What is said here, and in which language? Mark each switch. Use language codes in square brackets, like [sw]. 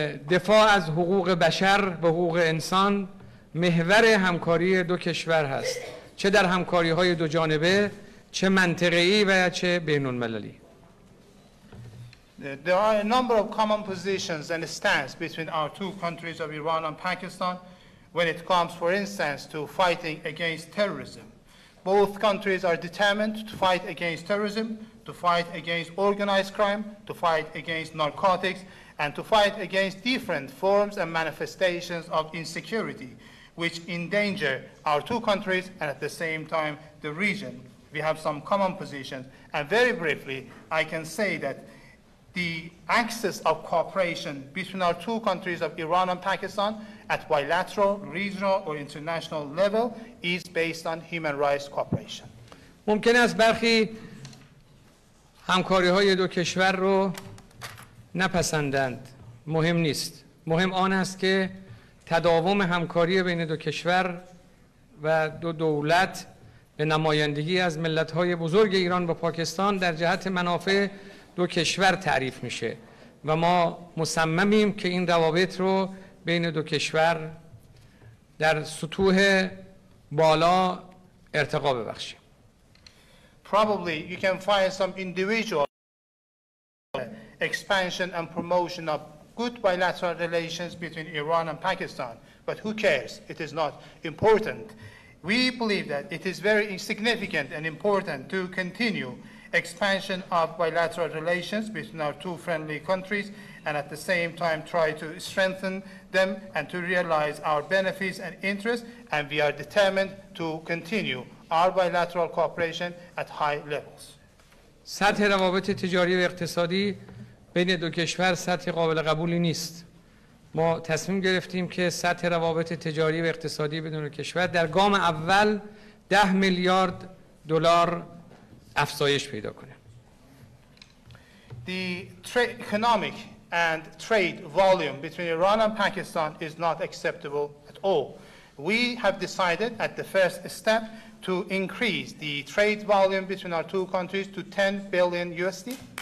[fa] دفاع از حقوق بشر و حقوق انسان محور همکاری دو کشور هست، چه در همکاری‌های دو جانبه، چه منطقه‌ای و چه بین‌المللی. [en] There are a number of common positions and stance between our two countries of Iran and Pakistan when it comes, for instance, to fighting against terrorism. Both countries are determined to fight against terrorism, to fight against organized crime, to fight against narcotics, and to fight against different forms and manifestations of insecurity, which endanger our two countries and at the same time the region. We have some common positions. And very briefly, I can say that the axis of cooperation between our two countries of Iran and Pakistan at bilateral, regional, or international level is based on human rights cooperation. [fa] ممکن است برخی همکاری‌های دو کشور رو نپسندند. مهم نیست. مهم آن است که تداوم همکاری بین دو کشور و دو دولت به نمایندگی از ملت‌های بزرگ ایران و پاکستان در جهت منافع دو کشور تعریف میشه و ما مصممیم که این روابط رو بین دو کشور در سطوح بالا ارتقا ببخشیم. [en] Probably you can find some individual expansion and promotion of good bilateral relations between Iran and Pakistan, but who cares? It is not important. We believe that it is very significant and important to continue expansion of bilateral relations between our two friendly countries and at the same time try to strengthen them and to realize our benefits and interests, and we are determined to continue our bilateral cooperation at high levels. [fa] سطح روابط تجاری و اقتصادی بین دو کشور سطح قابل قبولی نیست. ما تصمیم گرفتیم که سطح روابط تجاری و اقتصادی بین دو کشور در گام اول 10 میلیارد دلار افزایش پیدا کنه. [en] The economic and trade volume between Iran and Pakistan is not acceptable at all. We have decided at the first step to increase the trade volume between our two countries to 10 billion USD.